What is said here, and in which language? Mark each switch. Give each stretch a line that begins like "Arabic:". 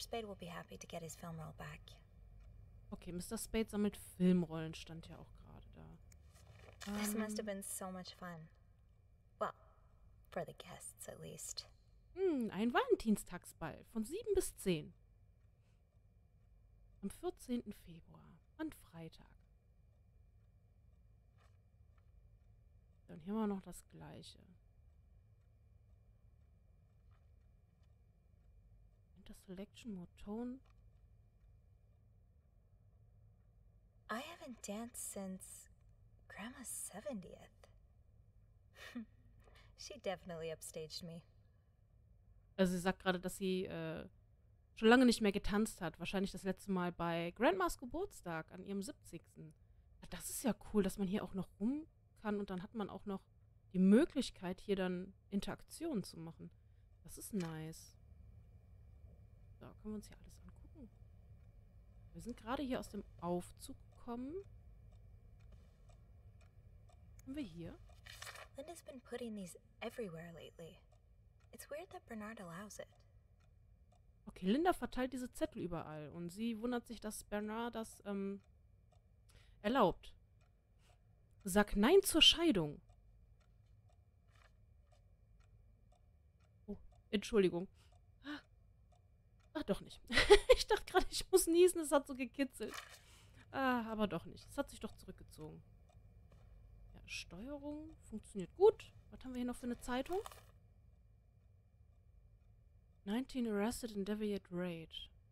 English: Spade will be happy to get his film roll back. Okay, Mr.
German: Spade sammelt Filmrollen, stand ja auch gerade da.
English: This must have been so much fun. Well, for the guests at least.
German: Ein Valentinstagsball von 7 bis 10. Am 14. Februar, an Freitag. Dann hier mal noch das Gleiche.
English: The selection more tone. I haven't danced since Grandma's 70th. She definitely upstaged me.
German: Also sie sagt gerade, dass sie schon lange nicht mehr getanzt hat. Wahrscheinlich das letzte Mal bei Grandmas Geburtstag an ihrem 70. Das ist ja cool, dass man hier auch noch rum kann und dann hat man auch noch die Möglichkeit, hier dann Interaktionen zu machen. Das ist nice. So, können wir uns hier alles angucken. Wir sind gerade hier aus dem Aufzug gekommen. Haben wir hier?
English: Linda's been putting these everywhere lately. It's weird that Bernard allows it.
German: Okay, Linda verteilt diese Zettel überall und sie wundert sich, dass Bernard das erlaubt. Sag nein zur Scheidung. Oh, Entschuldigung. Ach, doch nicht. Ich dachte gerade, ich muss niesen, es hat so gekitzelt. Ah, aber doch nicht. Es hat sich doch zurückgezogen. Ja, Steuerung funktioniert gut. Was haben wir hier noch für eine Zeitung?
English: 19 arrested in Deviate Raid.